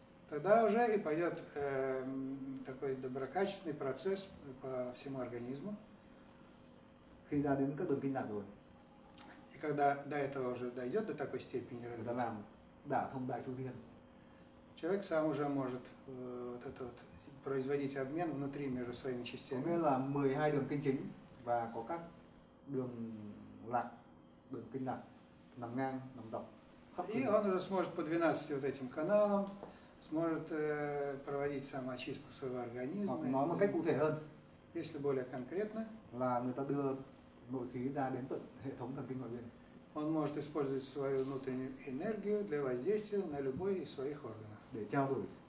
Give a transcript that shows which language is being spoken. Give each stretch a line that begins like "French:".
Russian: тогда уже и пойдет такой доброкачественный процесс по всему организму. И когда до этого уже дойдет до такой степени развития, человек сам уже может вот это вот, производить обмен внутри между своими частями.
Vietnamese: Có nghĩa là 12 đường kinh chính và có các đường lạc, đường kinh lạc nằm ngang, nằm dọc.
Russian: И он уже сможет по 12 вот этим каналам сможет проводить самоочистку своего организма. Если более конкретно, он может использовать свою внутреннюю энергию для воздействия на любой из своих органов.